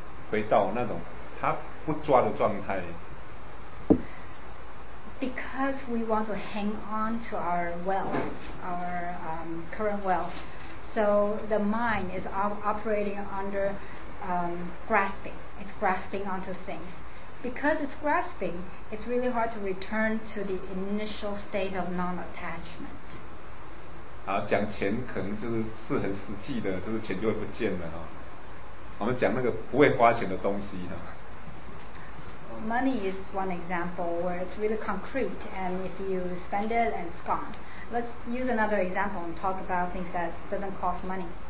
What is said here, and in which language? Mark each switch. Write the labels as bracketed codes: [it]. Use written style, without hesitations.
[zh] 回到那种他不抓的状态。 [en] Because we want to hang on to our wealth, our current wealth. So the mind is operating under grasping. It's grasping onto things. Because it's grasping, it's really hard to return to the initial state of non-attachment. [zh] 好，讲钱可能就是很实际的，就是钱就会不见了哈。我们讲那个不会花钱的东西哈。 [en] Money is one example where it's really concrete, and if you spend it, and it's gone. Let's use another example and talk about things that doesn't cost money.